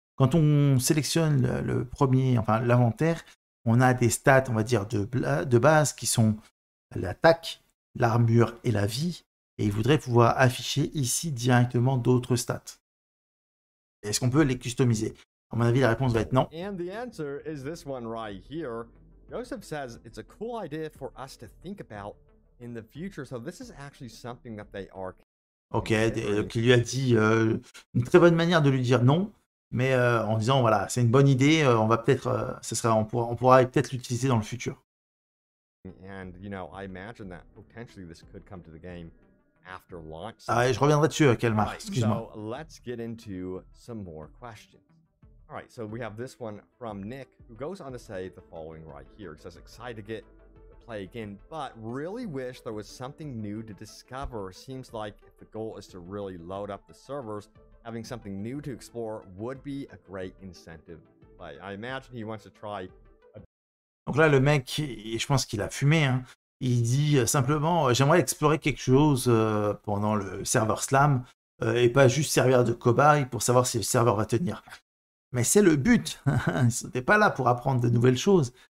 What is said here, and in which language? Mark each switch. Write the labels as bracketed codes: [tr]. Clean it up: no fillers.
[fr] Quand on sélectionne l'inventaire, on a des stats, on va dire, de base qui sont l'attaque, l'armure et la vie. Et il voudrait pouvoir afficher ici directement d'autres stats. Est-ce qu'on peut les customiser? À mon avis, la réponse va être non. [en] And the answer is this one right here. Joseph says it's a cool idea for us to think about in the future, so this is actually something that they are. [fr] Ok, donc il lui a dit une très bonne manière de lui dire non, mais en disant voilà, c'est une bonne idée, on va peut-être, on pourra peut-être l'utiliser dans le futur. [en] And, you know, I imagine that potentially this could come to the game after launch. [fr] Je reviendrai dessus, Kelmar, excuse-moi. [en] So let's get into some more questions. All right, so we have this one from Nick, who goes on to say the following right here. He says, excited to get to play again, but really wish there was something new to discover. Seems like if the goal is to really load up the servers, having something new to explore would be a great incentive. But I imagine he wants to try. [fr] Donc là, le mec, je pense qu'il a fumé. Hein. Il dit simplement, j'aimerais explorer quelque chose pendant le serveur slam et pas juste servir de cobaye pour savoir si le serveur va tenir. Mais c'est le but. T'es pas là pour apprendre de nouvelles choses.